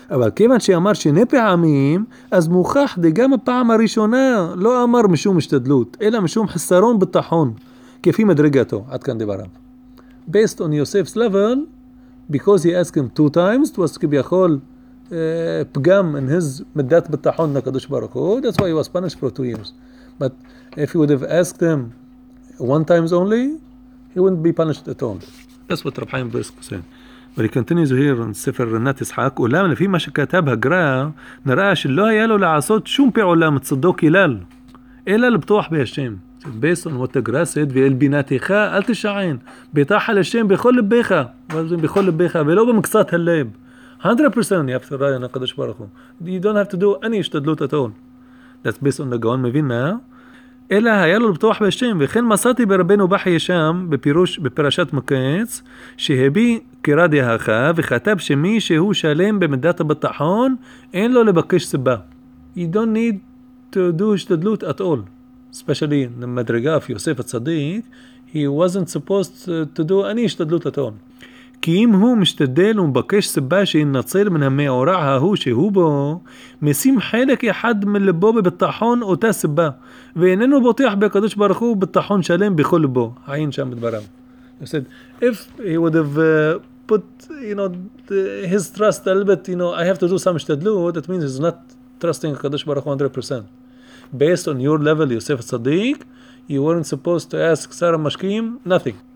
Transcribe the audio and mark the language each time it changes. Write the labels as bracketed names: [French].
[Hebrew] אבל כיוון שאמר שני פעמים, אז מוכח די גם הפעם הראשונה לא אמר משום השתדלות, אלא משום חסרון בטחון, כפי מדרגתו. עד כאן דבריו. [English] Based on Yosef's level, because he asked him two times, it was כביכול פגם in his מדת בטחון לקדוש ברוך הוא. That's why he was punished for two years. But if he would have asked him one times only, he wouldn't be punished at all. That's what Rav Chaim Brisk was saying. But he continues here in [Hebrew] Sefer Renat Ishaq, אולם לפי מה שכתב הגרא, נראה שלא היה לו לעשות שום פעולה מצדו כלל, אלא לבטוח בהשם. [English] Based on what the [Hebrew] גרא said, ואל בינתך, אל תשען, בטח על השם בכל לבך, בכל לבך, ולא במקצת הלב. [English] 100% you have to rely on הקדוש ברוך הוא. You don't have to do any השתדלות at all. That's based on the גאון מבין מה? [Hebrew] אלא היה לו לבטוח בהשם, וכן מסעתי ברבנו בחי שם, בפירוש בפרשת מקץ, שהביא כרד יחה, וכתב שמי שהוא שלם במדת הבטחון, אין לו לבקש סיבה. [English] You don't need to do השתדלות at all. Especially in the מדרגה of יוסף הצדיק, he wasn't supposed to do any השתדלות at all. [Hebrew] כי אם הוא משתדל ומבקש סיבה שינצל מן המעורע ההוא שהוא בו, משים חלק אחד מלבו בבטחון אותה סיבה, ואיננו בוטח בקדוש ברוך הוא בטחון שלם בכל לבו. עין שם בדברם. [English] He said, if he would have put, you know, his trust a little bit, you know, I have to do some השתדלות, that means he's not trusting הקדוש ברוך הוא 100%. Based on your level, יוסף הצדיק, you weren't supposed to ask שר המשקיעים, nothing.